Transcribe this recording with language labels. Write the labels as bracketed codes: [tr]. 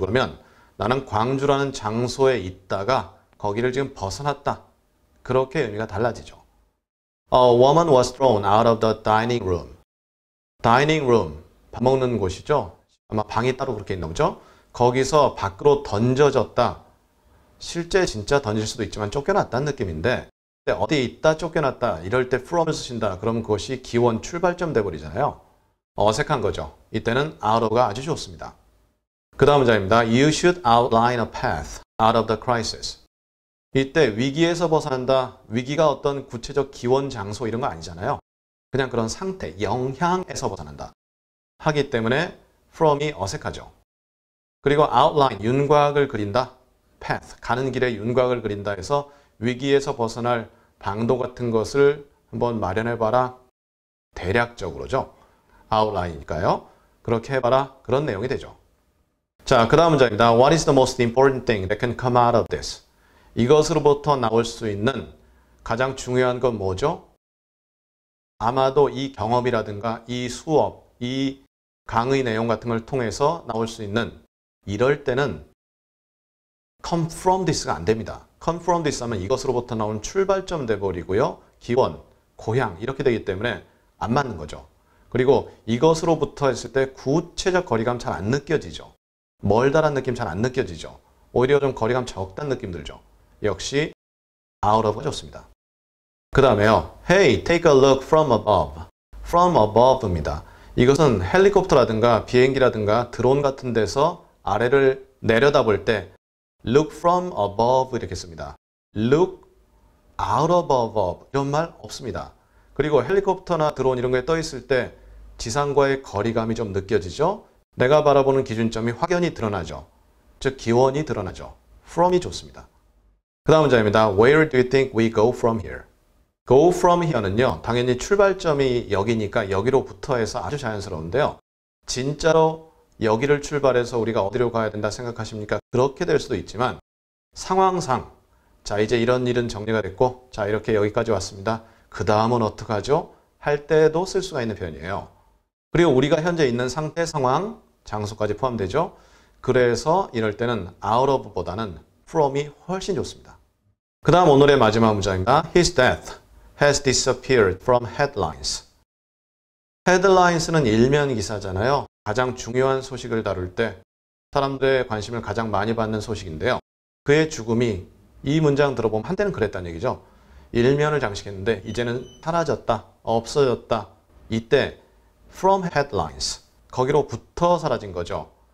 [ko] 그러면 나는 광주라는 장소에 있다가 거기를 지금 벗어났다. 그렇게 의미가 달라지죠. [en] A woman was thrown out of the dining room. Dining room, [ko] 밥 먹는 곳이죠. 아마 방이 따로 그렇게 있는 거죠. 거기서 밖으로 던져졌다. 실제 진짜 던질 수도 있지만 쫓겨났다는 느낌인데 근데 어디 있다 쫓겨났다 이럴 때 from을 쓰신다. 그러면 그것이 기원 출발점 돼버리잖아요. 어색한 거죠. 이때는 out of가 아주 좋습니다. 그 다음 문장입니다. [en] You should outline a path out of the crisis. [ko] 이때 위기에서 벗어난다. 위기가 어떤 구체적 기원 장소 이런 거 아니잖아요. 그냥 그런 상태, 영향에서 벗어난다. 하기 때문에 from이 어색하죠. 그리고 outline, 윤곽을 그린다. path, 가는 길에 윤곽을 그린다 해서 위기에서 벗어날 방도 같은 것을 한번 마련해봐라. 대략적으로죠. outline이니까요. 그렇게 해봐라. 그런 내용이 되죠. 자, 그 다음 문장입니다. [en] What is the most important thing that can come out of this? [ko] 이것으로부터 나올 수 있는 가장 중요한 건 뭐죠? 아마도 이 경험이라든가 이 수업, 이 강의 내용 같은 걸 통해서 나올 수 있는 이럴 때는 [en] come from this [ko] 가 안 됩니다. [en] come from this [ko] 하면 이것으로부터 나온 출발점 돼버리고요. 기원, 고향 이렇게 되기 때문에 안 맞는 거죠. 그리고 이것으로부터 했을 때 구체적 거리감 잘 안 느껴지죠. 멀다란 느낌 잘 안 느껴지죠. 오히려 좀 거리감 적단 느낌 들죠. 역시 out of가 좋습니다. 그 다음에요. [en] Hey, take a look from above. From above입니다. [ko] 이것은 헬리콥터라든가 비행기라든가 드론 같은 데서 아래를 내려다볼 때 [en] look from above [ko] 이렇게 씁니다. [en] Look out of above [ko] 이런 말 없습니다. 그리고 헬리콥터나 드론 이런 게 떠 있을 때 지상과의 거리감이 좀 느껴지죠. 내가 바라보는 기준점이 확연히 드러나죠. 즉 기원이 드러나죠. from이 좋습니다. 그 다음 문장입니다. [en] Where do you think we go from here? Go from here는요. [ko] 당연히 출발점이 여기니까 여기로부터 해서 아주 자연스러운데요. 진짜로 여기를 출발해서 우리가 어디로 가야 된다 생각하십니까? 그렇게 될 수도 있지만 상황상 자 이제 이런 일은 정리가 됐고 자 이렇게 여기까지 왔습니다. 그 다음은 어떡하죠? 할 때도 쓸 수가 있는 표현이에요. 그리고 우리가 현재 있는 상태, 상황, 장소까지 포함되죠. 그래서 이럴 때는 out of보다는 from이 훨씬 좋습니다. 그 다음 오늘의 마지막 문장입니다. [en] His death has disappeared from headlines. [ko] Headlines는 일면 기사잖아요. 가장 중요한 소식을 다룰 때 사람들의 관심을 가장 많이 받는 소식인데요. 그의 죽음이 이 문장 들어보면 한때는 그랬다는 얘기죠. 일면을 장식했는데 이제는 사라졌다, 없어졌다. 이때 [en] from headlines, [ko] 거기로부터 사라진 거죠.